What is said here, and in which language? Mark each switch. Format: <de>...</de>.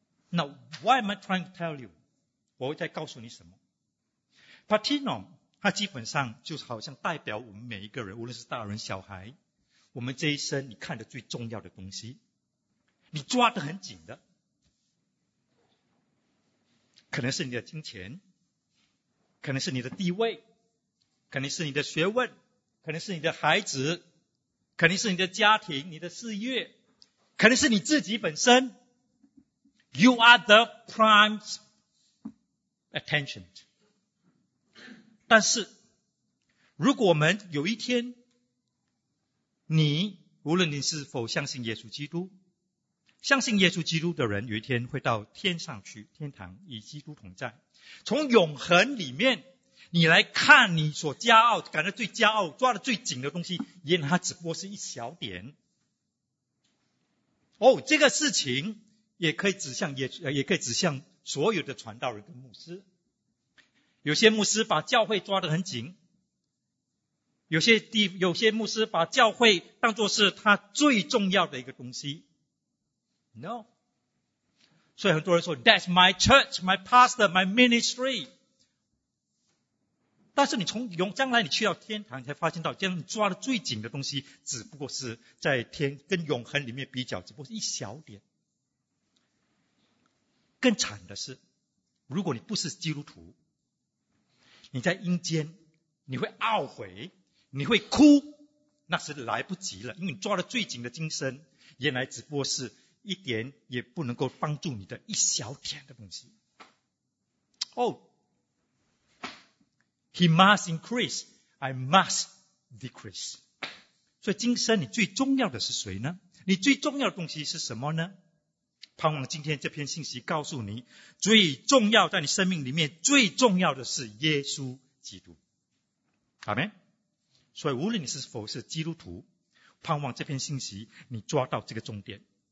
<en>Now, why am I trying to tell you?</en> <zh>我会再告诉你什么。 Parthenon, 它基本上就是好像代表我们每一个人，无论是大人小孩，我们这一生你看的最重要的东西。你抓得很紧的。可能是你的金钱，可能是你的地位，可能是你的学问，可能是你的孩子，可能是你的家庭，你的事业，可能是你自己本身。 You are the prime attention. 但是如果我们有一天你无论你是否相信耶稣基督，相信耶稣基督的人有一天会到天上去，天堂与基督同在。从永恒里面你来看你所骄傲感到最骄傲抓得最紧的东西，原来它只不过是一小点。哦，这个事情也可以指向也可以指向所有的传道人跟牧师。有些牧师把教会抓得很紧，有些牧师把教会当作是他最重要的一个东西。</zh> <en>No,</en> <zh>所以很多人说</zh> <en>That's my church, my pastor, my ministry.</en> <zh>但是你从将来你去到天堂，你才发现到这样你抓得最紧的东西，只不过是在天跟永恒里面比较，只不过是一小点。更惨的是，如果你不是基督徒，你在阴间，你会懊悔，你会哭，那是来不及了，因为你抓了最紧的今生，原来只不过是一点也不能够帮助你的一小点的东西。</zh> <en>Oh, he must increase, I must decrease.</en> <zh>所以今生你最重要的是谁呢？你最重要的东西是什么呢？盼望今天这篇信息告诉你，最重要在你生命里面最重要的是耶稣基督。阿们。所以无论你是否是基督徒，盼望这篇信息你抓到这个重点。</zh>